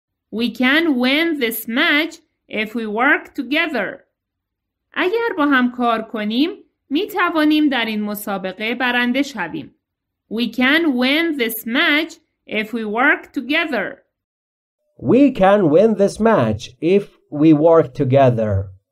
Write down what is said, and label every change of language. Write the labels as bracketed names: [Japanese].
[English] We can win this match if we work together. [Persian] اگر با هم کار کنیم، می توانیم در این مسابقه برنده شویم. [English] We can win this match if we work together. We can win this match if we work together.